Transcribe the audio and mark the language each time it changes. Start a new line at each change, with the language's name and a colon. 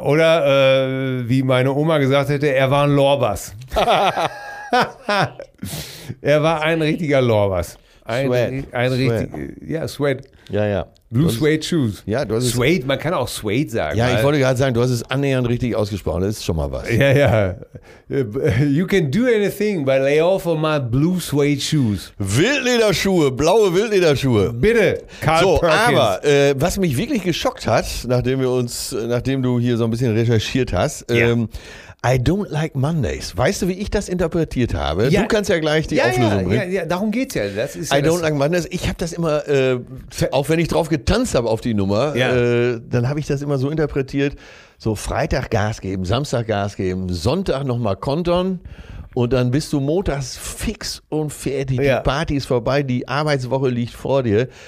German: Oder wie meine Oma gesagt hätte, er war ein Lorbas. Er war ein richtiger Lorbas.
English: Sweat.
German: Ja, ja.
English: Blue Suede Shoes.
German: Ja, du hast es. Suede, man kann auch Suede sagen. Ja, ich wollte gerade sagen, du hast es annähernd richtig ausgesprochen. Das ist schon mal was. Ja, ja.
English: You can do anything, but lay off of my blue suede shoes.
German: Wildlederschuhe, blaue Wildlederschuhe. Bitte, Carl so, Perkins. Aber was mich wirklich geschockt hat, nachdem du hier so ein bisschen recherchiert hast,
English: I don't like Mondays.
German: Weißt du, wie ich das interpretiert habe? Ja. Du kannst ja gleich die Auflösung bringen. Ja, darum geht's ja. Das ist ja
English: Like Mondays.
German: Ich habe das immer, auch wenn ich drauf getanzt habe auf die Nummer, dann habe ich das immer so interpretiert, so Freitag Gas geben, Samstag Gas geben, Sonntag nochmal kontern und dann bist du montags fix und fertig. Ja. Die Party ist vorbei, die Arbeitswoche liegt vor dir.